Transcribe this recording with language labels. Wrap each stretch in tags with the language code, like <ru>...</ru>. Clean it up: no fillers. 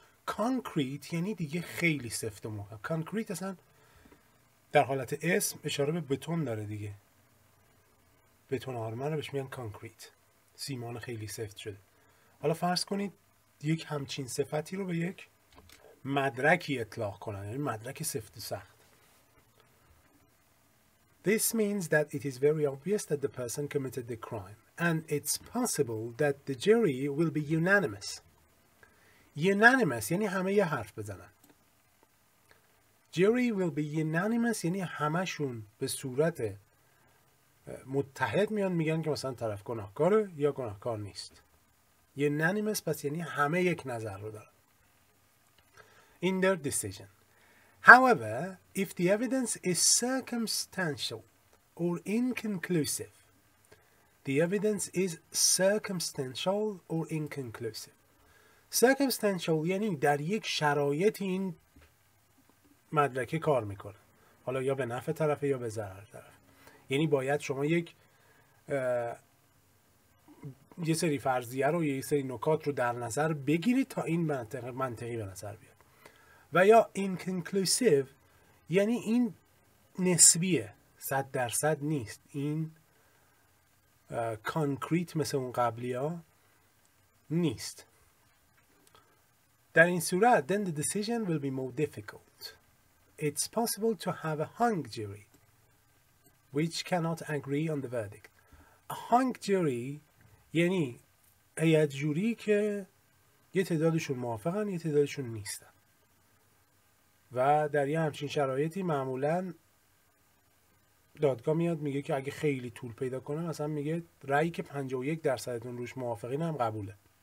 <fa>concrete یعنی دیگه خیلی سفت و محکم. concrete اصلا در حالت اسم اشاره به بتون داره دیگه، بتون آرمان رو بهش میگن concrete، سیمان خیلی سفت شده. حالا فرض کنید یک همچین صفتی رو به یک مدرکی اطلاق کنن، یعنی مدرک سفت و سخت.</fa> <en>This means that it is very obvious that the person committed the crime and it's possible that the jury will be unanimous.</en> <fa>unanimous یعنی همه یه حرف بزنن.</fa> <en>jury will be unanimous</en> <fa>یعنی همه شون به صورت متحد میان میگن که مثلا طرف گناهکاره یا گناهکار نیست. unanimous پس یعنی همه یک نظر رو دارن.</fa> <en>In their decision. However, if the evidence is circumstantial، or inconclusive. The evidence is circumstantial or inconclusive.</en> <fa>Circumstantial یعنی در یک شرایطی این مدرک کار میکنه. حالا یا به نفع طرف یا به ضرر طرف. یعنی باید شما یه سری فرضیه رو یه سری نکات رو در نظر بگیرید تا این منطقی به نظر بیاد. و یا inconclusive یعنی این نسبیه. 100% نیست. این concrete مثل اون قبلی ها نیست. در این صورت</fa> <en>then the decision will be more difficult. It's possible to have a hung jury which cannot agree on the verdict. A hung jury</en> <fa>یعنی هیئت جوری که یه تعدادشون موافقن یه تعدادشون نیستن. و در یه همچین شرایطی معمولا دادگاه میاد میگه که اگه خیلی طول پیدا کنه مثلا میگه رأی که 51% روش موافقین هم قبوله.</fa>